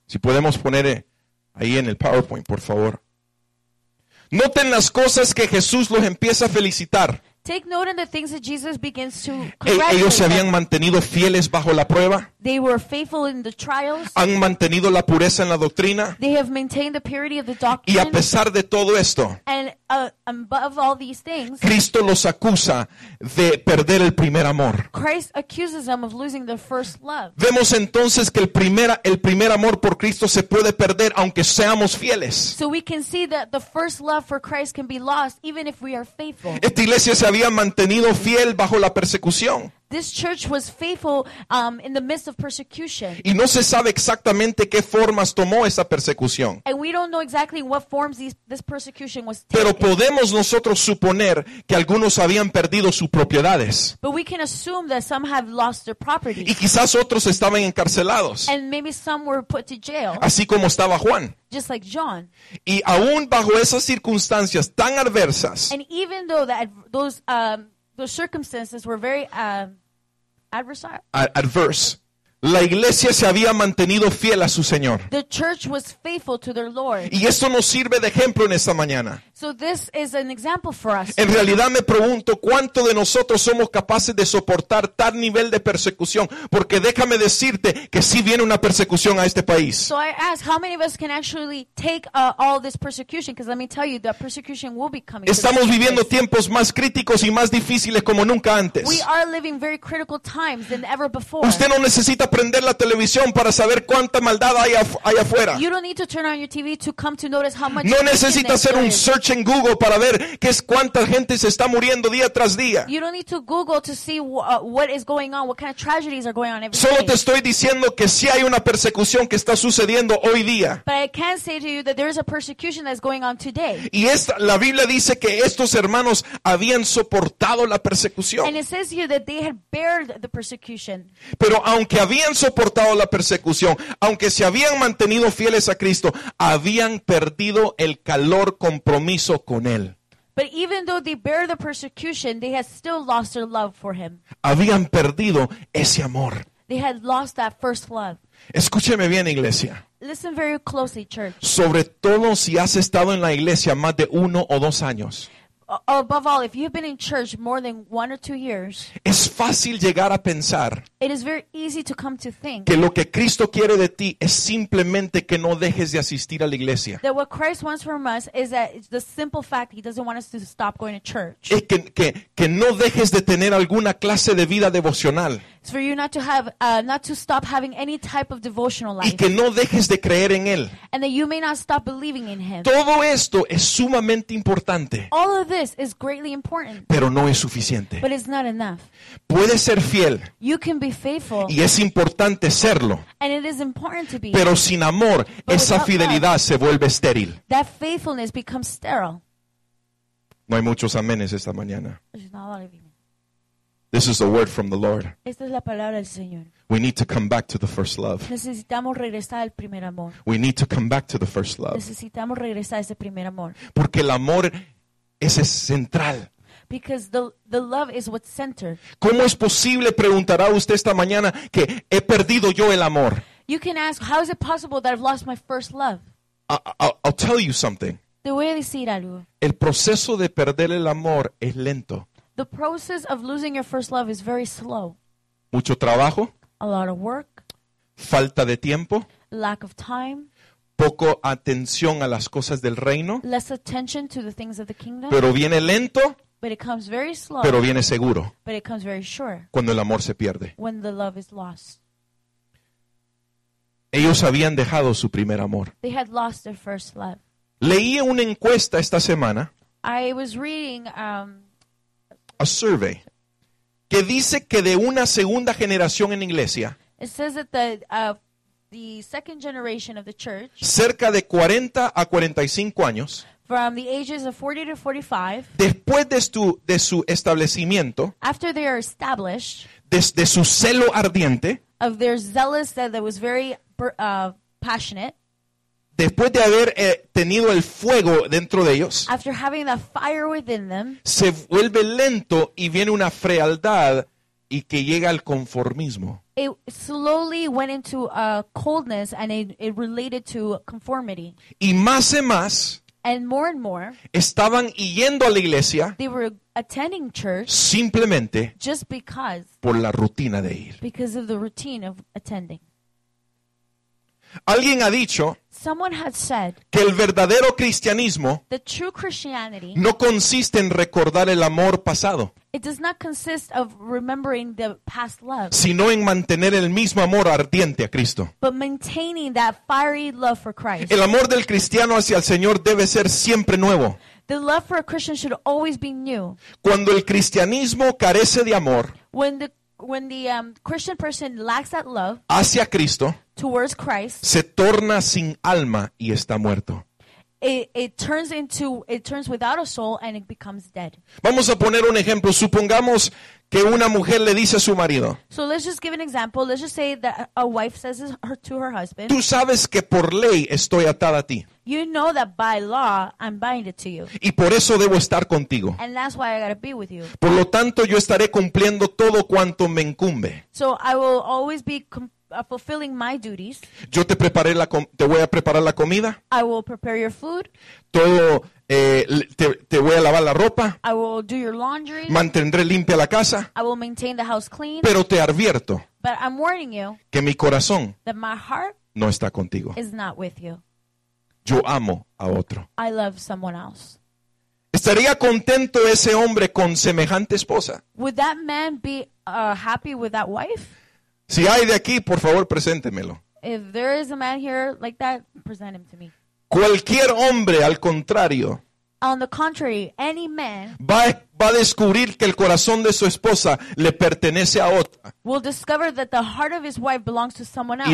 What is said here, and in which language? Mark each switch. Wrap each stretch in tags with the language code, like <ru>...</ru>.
<es>Si podemos poner ahí en el PowerPoint, por favor. Noten las cosas que Jesús los empieza a felicitar.</es> <en>Take note in the things that Jesus begins to</en> <es>ellos se habían mantenido fieles bajo la prueba.</es> <en>They were faithful in the trials.</en> <es>Han mantenido la pureza en la doctrina.</es> <en>They have maintained the purity of the doctrine.</en> <es>Y a pesar de todo esto,</es> <en>and above all these things,</en> <es>Cristo los acusa de perder el primer amor.</es> <en>Christ accuses them of losing their first love.</en> <es>Vemos entonces que el primer amor por Cristo se puede perder aunque seamos fieles.</es> <en>So we can see that the first love for Christ can be lost even if we are faithful.</en> <es>Esta iglesia se había mantenido fiel bajo la persecución.</es> <en>This church was faithful in the midst of persecution.</en> <es>Y no se sabe exactamente qué formas tomó esa persecución.</es> <en>And we don't know exactly what forms this persecution was taking.</en> <es>Pero podemos nosotros suponer que algunos habían perdido sus propiedades.</es> <en>But we can assume that some have lost their property.</en> <es>Y quizás otros estaban encarcelados.</es> <en>And maybe some were put to jail.</en> <es>Así como estaba Juan.</es> <en>Just like John.</en> <es>Y aún bajo esas circunstancias tan adversas.</es> <en>And even though that those circumstances were very adverse.</en> <es>La iglesia se había mantenido fiel a su Señor.</es> <en>The church was faithful to their Lord.</en> <es>Y esto nos sirve de ejemplo en esta mañana.</es> <en>So this is an example for us.</en> <es>En realidad me pregunto cuánto de nosotros somos capaces de soportar tal nivel de persecución, porque déjame decirte que sí viene una persecución a este país.</es> <en>So I ask how many of us can actually take all this persecution, because let me tell you that persecution will be coming.</en> <es>Estamos viviendo tiempos más críticos y más difíciles como nunca antes.</es> <en>We are living very critical times than ever before.</en> <es>Usted no necesita prender la televisión para saber cuánta maldad hay allá afuera.</es> <en>You don't need to turn on your TV to come to notice how much.</en> <es>No necesita hacer un search en Google para ver qué es cuánta gente se está muriendo día tras día.</es> <en>You don't need to Google to see what is going on, what kind of tragedies are going on every day.</en> <es>Solo te estoy diciendo que sí hay una persecución que está sucediendo hoy día.</es> <en>But I can say to you that there is a persecution that's going on today.</en> <es>Y esta, la Biblia dice que estos hermanos habían soportado la persecución.</es> <en>And it says here that they had bared the persecution.</en> <es>Pero aunque habían soportado la persecución, aunque se habían mantenido fieles a Cristo, habían perdido el calor compromiso con Él.</es> <en>But even though they bear the persecution, they had still lost their love for Him.</en> <es>Habían perdido ese amor.</es> <en>They had lost that first love.</en> <es>Escúcheme bien, iglesia.</es> <en>Listen very closely, church.</en> <es>Sobre todo si has estado en la iglesia más de uno o dos años.</es> <en>Above all, if you've been in church more than one or two years,</en> <es>es fácil llegar a pensar,</es> <en>it is very easy to come to think</en> <es>que lo que Cristo quiere de ti es simplemente que no dejes de asistir a la iglesia.</es> <en>That what Christ wants from us is that it's the simple fact he doesn't want us to stop going to church.</en> <es>Es que no dejes de tener alguna clase de vida devocional.</es> <en>It's for you not to have, not to stop having any type of devotional life.</en> <es>Y que no dejes de creer en Él.</es> <en>And that you may not stop believing in Him.</en> <es>Todo esto es sumamente importante.</es> <en>All of this is greatly important.</en> <es>Pero no es suficiente.</es> <en>But it's not enough.</en> <es>Puedes ser fiel.</es> <en>You can be faithful.</en> <es>Y es importante serlo.</es> <en>And it is important to be.</en> <es>Pero sin amor, esa fidelidad se vuelve estéril.</es> <en>That faithfulness becomes sterile.</en> <es>No hay muchos amenes esta mañana.</es> <en>There's not a lot of amen. This is the word from the Lord.</en> <es>Esta es la palabra del Señor.</es> <en>We need to come back to the first love.</en> <es>Necesitamos regresar al primer amor.</es> <en>We need to come back to the first love.</en> <es>Necesitamos regresar a ese primer amor. Porque el amor es central.</es> <en>Because the love is what's centered.</en> <es>¿Cómo es posible, preguntará usted esta mañana, que he perdido yo el amor?</es> <en>You can ask, how is it possible that I've lost my first love? I'll tell you something.</en> <es>Te voy a decir algo. El proceso de perder el amor es lento.</es> <en>The process of losing your first love is very slow.</en> <es>Mucho trabajo.</es> <en>A lot of work.</en> <es>Falta de tiempo.</es> <en>Lack of time.</en> <es>Poco atención a las cosas del reino.</es> <en>Less attention to the things of the kingdom.</en> <es>Pero viene lento.</es> <en>But it comes very slow.</en> <es>Pero viene seguro.</es> <en>But it comes very sure.</en> <es>Cuando el amor se pierde.</es> <en>When the love is lost.</en> <es>Ellos habían dejado su primer amor.</es> <en>They had lost their first love.</en> <es>Leí una encuesta esta semana.</es> <en>I was reading</en> <es>a survey que dice que de una segunda generación en iglesia,</es> <en>it says that the second generation of the church,</en> <es>cerca de 40 a 45 años,</es> <en>from the ages of 40 to 45,</en> <es>después de su establecimiento,</es> <en>after they are established,</en> <es>de su celo ardiente,</es> <en>of their zealous that was very passionate,</en> <es>después de haber tenido el fuego dentro de ellos,</es> <en>after having the fire within them,</en> <es>se vuelve lento y viene una frialdad y que llega al conformismo.</es> <en>It slowly went into a coldness and it related to conformity.</en> <es>Y más y más,</es> <en>and more,</en> <es>estaban yendo a la iglesia,</es> <en>they were attending church,</en> <es>simplemente</es> <en>just because,</en> <es>por la rutina de ir.</es> <en>Because of the routine of attending.</en> <es>Alguien ha dicho,</es> <en>someone had said,</en> <es>que el verdadero cristianismo,</es> <en>the true Christianity,</en> <es>no consiste en recordar el amor pasado,</es> <en>it does not consist of remembering the past love,</en> <es>sino en mantener el mismo amor ardiente a Cristo,</es> <en>but maintaining that fiery love for Christ.</en> <es>El amor del cristiano hacia el Señor debe ser siempre nuevo.</es> <en>The love for a Christian should always be new.</en> <es>Cuando el cristianismo carece de amor,</es> <en>when the Christian person lacks that love</en> <es>hacia Cristo,</es> <en>towards Christ,</en> <es>se torna sin alma y está muerto.</es> <en>It turns without a soul and it becomes dead.</en> <es>Vamos a poner un ejemplo. Supongamos que una mujer le dice a su marido,</es> <en>so let's just give an example. Let's just say that a wife says to her husband,</en> <es>tú sabes que por ley estoy atada a ti.</es> <en>You know that by law I'm binded to you.</en> <es>Y por eso debo estar contigo.</es> <en>And that's why I gotta be with you.</en> <es>Por lo tanto, yo estaré cumpliendo todo cuanto me incumbe.</es> <en>So I will always be fulfilling my duties.</en> <es>Yo te preparé te voy a preparar la comida.</es> <en>I will prepare your food.</en> <es>Todo, te voy a lavar la ropa.</es> <en>I will do your laundry.</en> <es>Mantendré limpia la casa.</es> <en>I will maintain the house clean.</en> <es>Pero te advierto,</es> <en>but I'm warning you,</en> <es>que mi corazón,</es> <en>that my heart,</en> <es>no está contigo,</es> <en>is not with you.</en> <es>Yo amo a otro.</es> <en>I love someone else.</en> <es>¿Estaría contento ese hombre con semejante esposa?</es> <en>Would that man be happy with that wife?</en> <es>Si hay de aquí, por favor, preséntemelo.</es> <en>If there is a man here like that, present him to me.</en> <es>Cualquier hombre, al contrario,</es> <en>on the contrary, any man</en> <es>va a descubrir que el corazón de su esposa le pertenece a otra.</es> <en>Will discover that the heart of his wife belongs to someone else.</en>